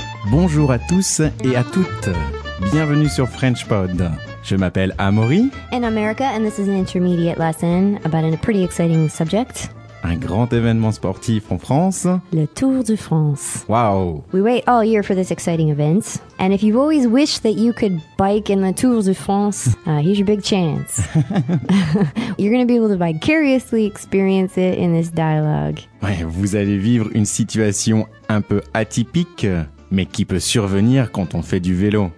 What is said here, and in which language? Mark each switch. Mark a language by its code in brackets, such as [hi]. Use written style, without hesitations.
[fr] Bonjour à tous et à toutes. Bienvenue sur French Pod. Je m'appelle Amaury. [en] And I'm Erica, and this is an intermediate lesson about a pretty exciting subject. [fr] Un grand événement sportif en France. Le Tour de France. Wow. [en] We wait all year for this exciting event. And if you've always wished that you could bike in the Tour de France, here's your big chance. You're going to be able to vicariously experience it in this dialogue. [fr] Ouais, vous allez vivre une situation un peu atypique, mais qui peut survenir quand on fait du vélo.